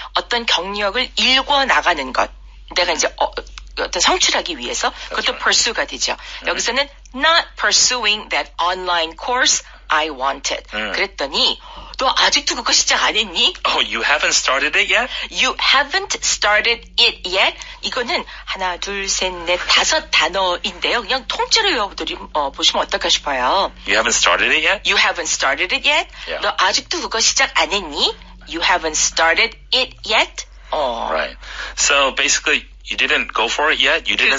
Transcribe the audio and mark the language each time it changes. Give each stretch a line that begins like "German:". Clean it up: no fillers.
Korean: 어떤 경력을 일궈나가는 것. 내가 이제 어떤 성취하기 위해서 그것도
English: right.
Korean: pursue가 되죠. Mm. 여기서는
English: not pursuing that online course I wanted. Mm.
Korean: 그랬더니 너 아직도 그거 시작 안 했니?
English: Oh, you haven't started it yet? You haven't started it yet?
Korean: 이거는 하나, 둘, 셋, 넷, 다섯 단어인데요. 그냥 통째로 보시면 어떨까 싶어요.
English: You haven't started it yet? You haven't started it yet? Yeah.
Korean: 너 아직도 그거 시작 안 했니?
English: You haven't started it yet? Right. So basically, you didn't go for it yet? You didn't